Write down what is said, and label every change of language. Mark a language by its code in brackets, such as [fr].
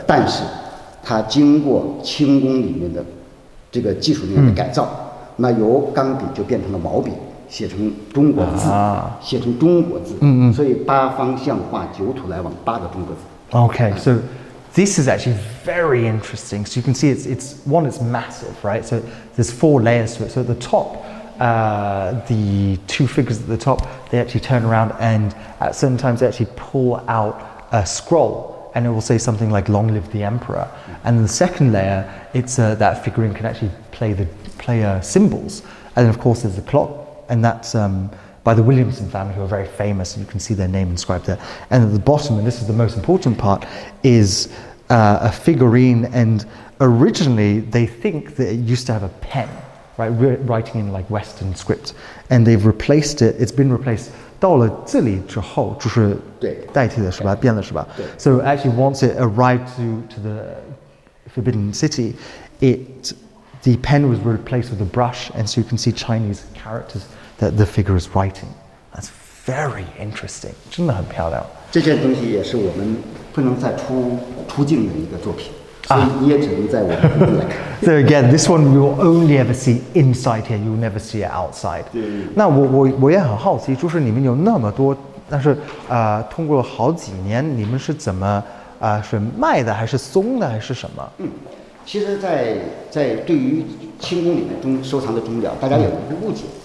[zh] 但是它经过清宫里面的这个技术里面的改造，那由钢笔就变成了毛笔，写成中国字、写成中国字，所以八方向画，九土来往，八个中国字。 [en] OK、so this is actually very interesting. So you can see it's one, it's massive, right? So there's four layers to it. So at the top, the two figures at the top, they actually turn around and at certain times they actually pull out a scroll and it will say something like long live the emperor. And the second layer, it's that figurine can actually play cymbals. And then of course there's the clock, and that's by the Williamson family, who are very famous, and you can see their name inscribed there. And at the bottom, and this is the most important part, is a figurine, and originally they think that it used to have a pen, right, writing in like Western script, and they've replaced it, it's been replaced [zh] 到了这里之后就是代替了是吧变了是吧 [en] So actually once it arrived to the Forbidden City, the pen was replaced with a brush, and so you can see Chinese characters that the figure is writing. That's very interesting. [zh] 真的很漂亮。这件东西也是我们不能再出境的一个作品，所以你也只能在我们来看。 [en] So again, this one you'll only ever see inside here. You'll never see it outside. [zh] 对。那我也很好奇，就是你们有那么多，但是通过了好几年，你们是怎么是卖的，还是松的，还是什么？其实在对于清宫里面收藏的钟表，大家有一个误解。